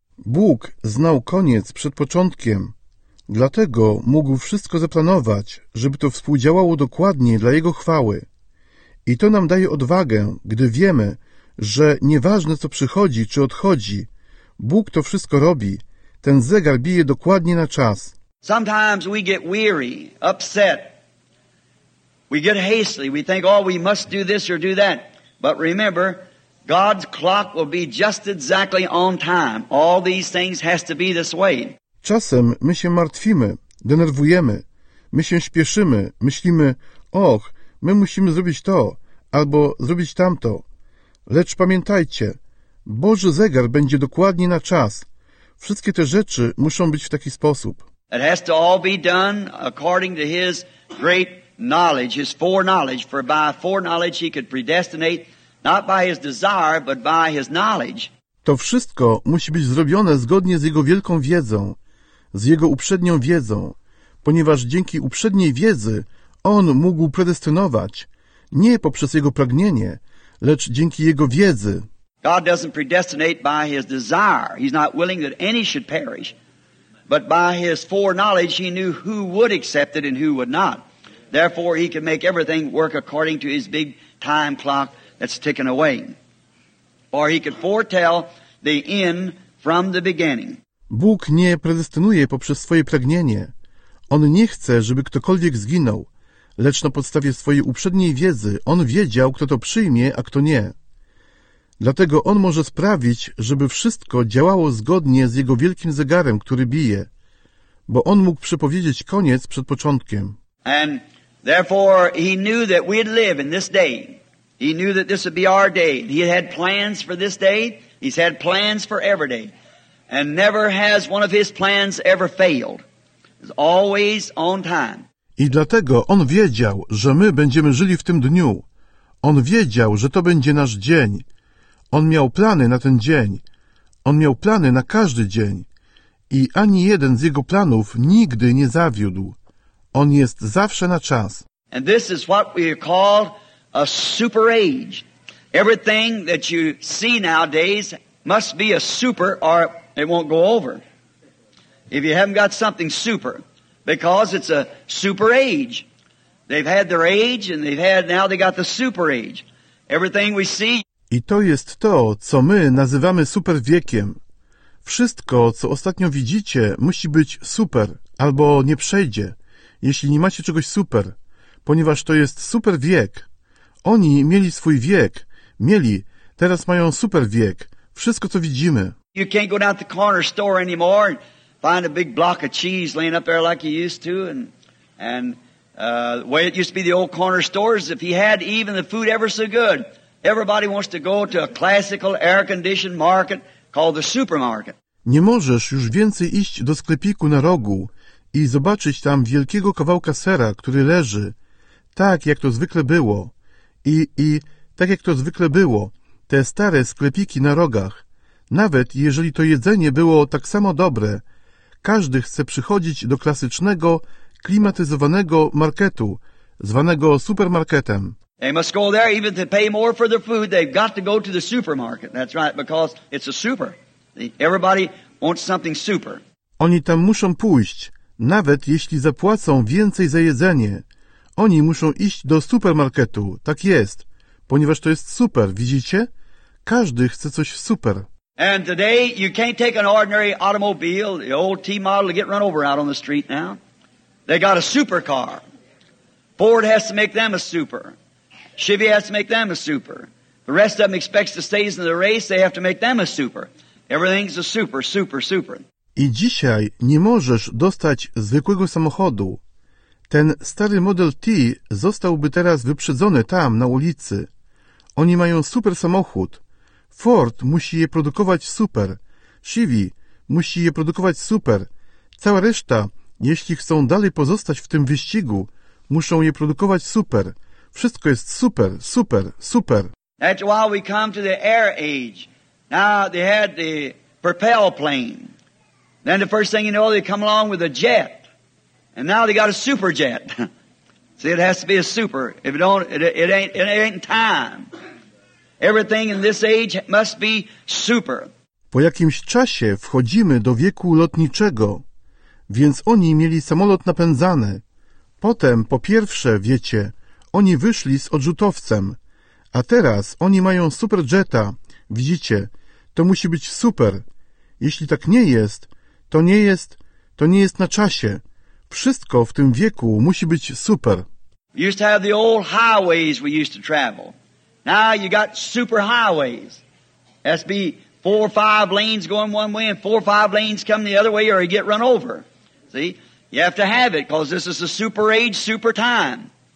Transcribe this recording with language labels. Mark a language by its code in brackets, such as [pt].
[pl] Bóg znał koniec przed początkiem. Dlatego mógł wszystko zaplanować, żeby to współdziałało dokładnie dla jego chwały. I to nam daje odwagę, gdy wiemy, że nieważne co przychodzi czy odchodzi, Bóg to wszystko robi. Ten zegar bije dokładnie na czas. [en] Sometimes we get weary, upset. We get hasty. We think, oh, we must do this or do that. But remember, God's clock will be just exactly on time. All these things has to be this way. [pl] Czasem my się martwimy, denerwujemy. My się śpieszymy, myślimy, och, my musimy zrobić to, albo zrobić tamto. Lecz pamiętajcie, Boży zegar będzie dokładnie na czas. Wszystkie te rzeczy muszą być w taki sposób. [en] It has to all be done according to his great knowledge, his foreknowledge, for by foreknowledge he could predestinate, not by his desire, but by his knowledge. [pl] To wszystko musi być zrobione zgodnie z jego wielką wiedzą, z jego uprzednią wiedzą, ponieważ dzięki uprzedniej wiedzy On mógł predestynować, nie poprzez jego pragnienie, lecz dzięki jego wiedzy. [en] God doesn't predestinate by his desire. He's not willing that any should perish. But by his foreknowledge, he knew who would accept it and who would not. Therefore, he can make everything work according to his big time clock that's ticking away. Or he could foretell the end from the beginning. [pl] Bóg nie predestynuje poprzez swoje pragnienie. On nie chce, żeby ktokolwiek zginął. lecz na podstawie swojej uprzedniej wiedzy on wiedział, kto to przyjmie, a kto nie. Dlatego on może sprawić, żeby wszystko działało zgodnie z jego wielkim zegarem, który bije, bo on mógł przepowiedzieć koniec przed początkiem. [en] And therefore he knew that we'd live in this day. He knew that this would be our day. He had plans for this day. He's had plans for every day. And never has one of his plans ever failed. It's always on time. [pl] I dlatego on wiedział, że my będziemy żyli w tym dniu. On wiedział, że to będzie nasz dzień. On miał plany na ten dzień. On miał plany na każdy dzień. I ani jeden z jego planów nigdy nie zawiódł. On jest zawsze na czas. [en] And this is what we call a super age. Everything that you see nowadays must be a super or it won't go over. If you haven't got something super, because it's a super age. They've had their age and they've had now they got the super age. Everything we see. [pl] I to jest to, co my nazywamy super wiekiem. Wszystko, co ostatnio widzicie, musi być super, albo nie przejdzie, jeśli nie macie czegoś super, ponieważ to jest super wiek. Oni mieli swój wiek, mieli, teraz mają super wiek, wszystko co widzimy. [en] You can't go down to the corner store anymore and find a big block of cheese laying up there like you used to. And the way it used to be the old corner stores, if he had even the food ever so good, everybody wants to go to a classical air-conditioned market called the supermarket. [pl] Nie możesz już więcej iść do sklepiku na rogu i zobaczyć tam wielkiego kawałka sera, który leży, tak jak to zwykle było. I tak jak to zwykle było, te stare sklepiki na rogach, nawet jeżeli to jedzenie było tak samo dobre, każdy chce przychodzić do klasycznego, klimatyzowanego marketu, zwanego supermarketem. [en] They must go there even to pay more for their food. They've got to go to the supermarket. That's right, because it's a super. Everybody wants something super. [pl] Oni tam muszą pójść, nawet jeśli zapłacą więcej za jedzenie. Oni muszą iść do supermarketu. Tak jest, ponieważ to jest super, widzicie? Każdy chce coś super. [en] And today you can't take an ordinary automobile, the old T model, to get run over out on the street now. They got a supercar. Ford has to make them a super. Chevy has to make them a super. The rest of them expects to stay in the race, they have to make them a super. Everything's a super, super, super. [pl] I dzisiaj nie możesz dostać zwykłego samochodu. Ten stary model T zostałby teraz wyprzedzony tam, na ulicy. Oni mają super samochód. Ford musi je produkować super. Chevy musi je produkować super. Cała reszta, jeśli chcą dalej pozostać w tym wyścigu, muszą je produkować super. Wszystko jest super, super, super. [en] That's why we come to the air age. Now they had the propel plane. Then the first thing you know, they come along with a jet. And now they got a super jet. See, it has to be a super. If it don't, it ain't time. Everything in this age must be super. [pl] Po jakimś czasie wchodzimy do wieku lotniczego, więc oni mieli samolot napędzany. Potem, po pierwsze, wiecie, oni wyszli z odrzutowcem, a teraz oni mają super jeta. Widzicie, to musi być super. Jeśli tak nie jest, to nie jest na czasie. Wszystko w tym wieku musi być super. [en] We used to have the old highways we used to travel. Now you got super highways. That's be 4 or 5 lanes going one way and 4 or 5 lanes come the other way or you get run over. See? You have to have it because this is a super age, super time.